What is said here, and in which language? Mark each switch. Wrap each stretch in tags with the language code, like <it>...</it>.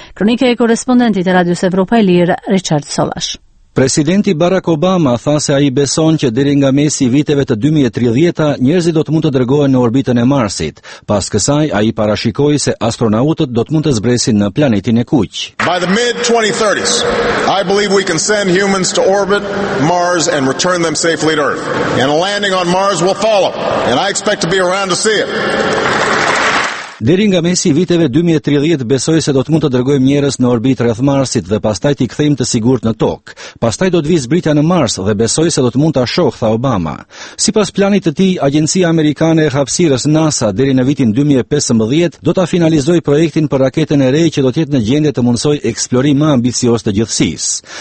<sq>Kronike e korrespondentit të Radios Evropa e Lirë, Richard Solash. Presidenti Barack Obama tha se ai beson që deri nga mesi i viteve të 2030-ta njerëzit do të mund të dërgohen në orbitën e Marsit. Pas kësaj ai parashikoi se astronautët do të mund të zbresin në planetin e kuq.</sq> <en>By the mid 2030s, I believe we can send humans to orbit Mars and return them safely to Earth. And a landing on Mars will follow, and I expect to be around to see it.</en> <sq>Deri nga mesi viteve 2030 besoj se do të mund të dërgojmë njerëz në orbit rreth Marsit dhe pastaj t'i kthejmë të sigurt në tokë. Pastaj do të vi zbritja në Mars dhe besoj se do të mund ta shoh, tha Obama. Sipas planit të tij, Agjencia Amerikane e Hapësirës NASA deri në vitin 2015 do ta finalizojë projektin për raketën e re që do të jetë në gjendje të mundsojë eksplorim më ambicioz të gjithësisë.</sq>